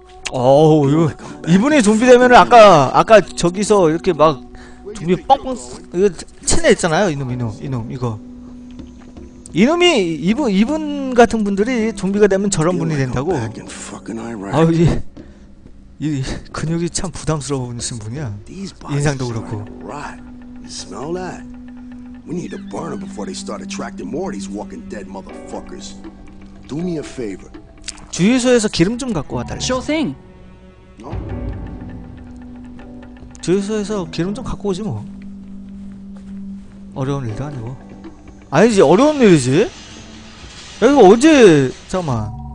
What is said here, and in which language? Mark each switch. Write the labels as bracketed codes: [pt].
[ko] 어우 이거 이분이 좀비 되면은 아까 저기서 이렇게 막 좀비 뻥뻥 이거 체내 있잖아요. 이놈 이거 이놈이 이분 같은 분들이 좀비가 되면 저런 분이 된다고. 아우 이 이 근육이 참 부담스러워 보이는 분이야. 인상도 그렇고. [en] Smell that. We need to burn them before they start attracting more of these walking dead motherfuckers. Do me a favor. [ko] 주유소에서 기름 좀 갖고 와달래. [en] Sure thing. [ko] 주유소에서 기름 좀 갖고 오지 뭐. 어려운 일도 아니고. 아니지 어려운 일이지. 야 이거 언제 잠깐만.